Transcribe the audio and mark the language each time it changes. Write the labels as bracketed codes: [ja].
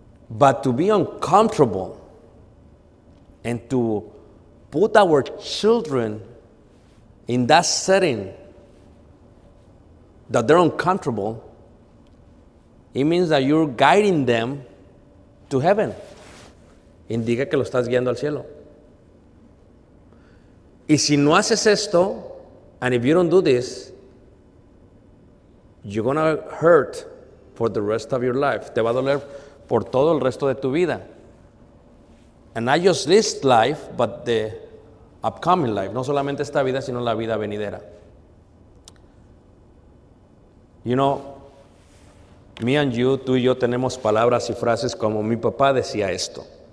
[en] But to be uncomfortable and to put our children in that setting that they're uncomfortable, it means that you're guiding them to heaven. [es] Indica que lo estás guiando al cielo. Y si no haces esto, [en] and if you don't do this, you're going to hurt for the rest of your life. [es] Te va a doler por todo el resto de tu vida. [en] And not just this life, but the upcoming life. [es] No solamente esta vida, sino la vida venidera. [en] You know, me and you, [es] tú y yo tenemos palabras y frases como mi papá decía esto.